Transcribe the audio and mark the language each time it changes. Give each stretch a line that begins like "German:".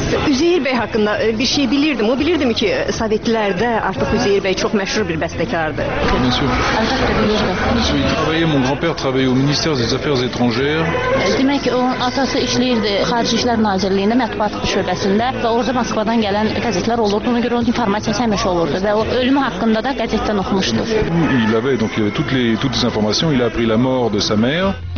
Azerbaijani: Üzeyir Bey haqqında bir şey bilirdim, o bilirdim ki, Sovetlərdə artıq Üzeyir Bey çox məşhur bir bəstəkardır.
French: Bien sûr. Travaillé, mon grand-père travaillé au ministère des affaires étrangères.
Azerbaijani: Demək ki, onun atası işləyir. Xarici İşlər Nazirliyində mətbuat şöbəsində və orada Moskvadan gələn qəzetlər olurdu. Ona görə onun informasiyası həmişə olurdu və o ölümü haqqında da qəzetdən oxumuşdu.
French: Il avait donc toutes les informations, il a appris la mort de sa mère.